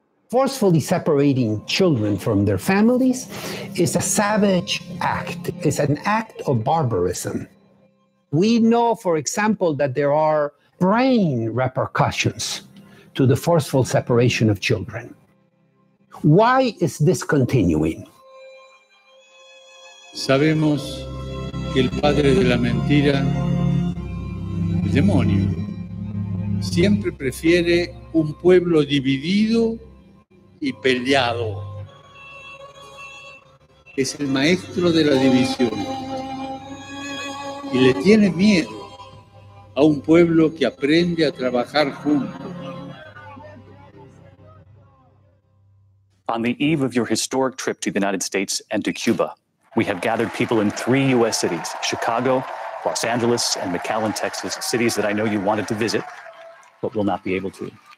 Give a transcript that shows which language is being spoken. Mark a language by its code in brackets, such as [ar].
[en] Forcefully separating children from their families is a savage act. It's an act of barbarism. We know, for example, that there are brain repercussions to the forceful separation of children. Why is this continuing? [es] Sabemos que el padre de la mentira, el demonio, siempre prefiere un pueblo dividido y peleado. Es el maestro de la división y le tiene miedo a un pueblo que aprende a trabajar junto. [en] On the eve of your historic trip to the United States and to Cuba, we have gathered people in three U.S. cities, Chicago, Los Angeles, and McAllen, Texas, cities that I know you wanted to visit, but will not be able to.